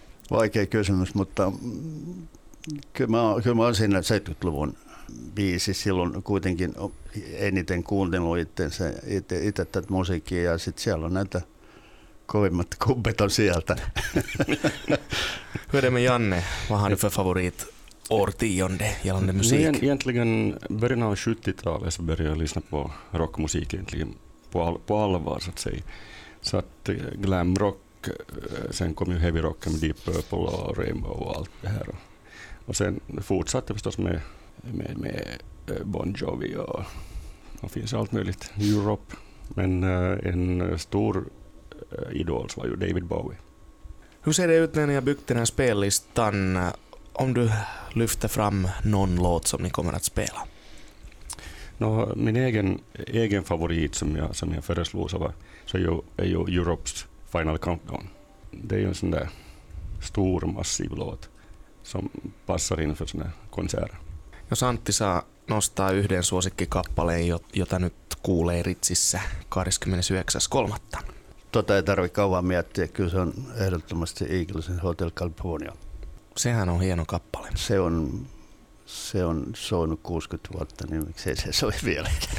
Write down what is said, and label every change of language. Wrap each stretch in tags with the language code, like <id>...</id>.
<fi>Vaikea kysymys, mutta kyllä mä olen siinä 70-luvun biisi silloin kuitenkin eniten kuuntelut itse tätä musiikkia, ja sitten siellä on näitä kovimmat kubbet on sieltä. Hyödemme Janne, vahan yhden favoriit.</fi> <sv>Årtionde gällande musik. Men egentligen början av 70-talet så började jag lyssna på rockmusik egentligen på allvar, så att säga. Så att glam rock, sen kom ju heavy rock med Deep Purple och Rainbow och allt det här. Och sen fortsatte förstås med Bon Jovi och finns allt möjligt. Europe. Men en stor idol var ju David Bowie. Hur ser det ut när ni har byggt den här spellistan? Om du lyfter fram någon låt som ni kommer att spela? No, min egen favorit som jag föreslog så är ju Europe's Final Countdown. Det är ju en sån där stor, massiv låt som passar in för sån här konsert.</sv> <fi>Jos Antti saa nostaa yhden suosikkikappaleen, jota nyt kuulee Ritsissä 29.3. Tota ei tarvitse kauan miettiä, kyllä se on ehdottomasti Eaglesin Hotel California. Sehän on hieno kappale. Se on soinut 60 vuotta, niin miksei se soi vielä.</fi>